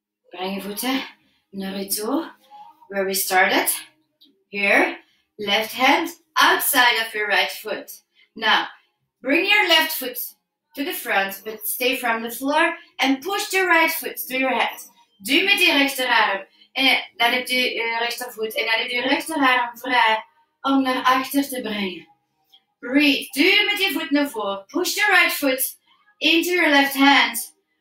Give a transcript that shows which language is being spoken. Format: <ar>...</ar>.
<nl>Breng je voeten naar je toe,</nl> <en>where we started. Here, left hand outside of your right foot. Now, bring your left foot to the front, but stay from the floor and push the right foot to your head.</en> <nl>Duw met je rechterarm en dan heb je rechtervoet en dan heb je rechterarm vrij om naar achter te brengen.</nl> <en>Breathe.</en> <nl>Duw met je voet naar voren.</nl> <en>Push the right foot into your left hand</en>